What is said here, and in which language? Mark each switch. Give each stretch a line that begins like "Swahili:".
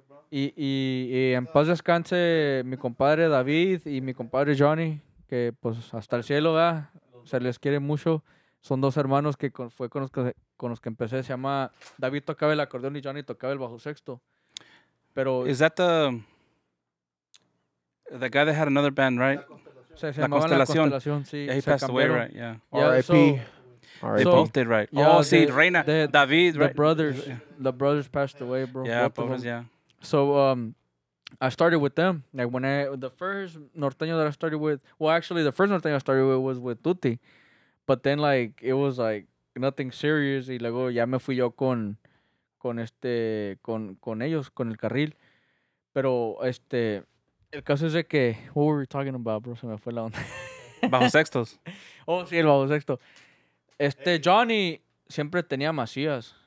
Spanish: Y en paz descanse mi compadre David y mi compadre Johnny, que pues hasta el cielo, ¿verdad? Se les quiere mucho. Son dos hermanos que fue con los que empecé. Se llama David tocaba el acordeón y Johnny tocaba el bajo sexto. Pero
English: is that the guy that had another band, right?
Spanish: La constelación. La constelación, sí.
English: Yeah, he passed away, right? Yeah. R.I.P. They both did, right? Yeah, oh, see, Reina. David, right? The brothers passed away, bro. Yeah, brothers, yeah. So I started with them. Like when the first norteño that I started with, well, actually, the first norteño I started with was with Tutti. But then, like, it was, like, nothing serious.
Spanish: Y luego ya me fui yo con ellos, con el carril. Pero, el caso es de que...
English: What were we talking about, bro?
Spanish: Se me fue la onda. Bajo sextos. Oh, sí, el bajo sexto. Johnny siempre tenía Macías.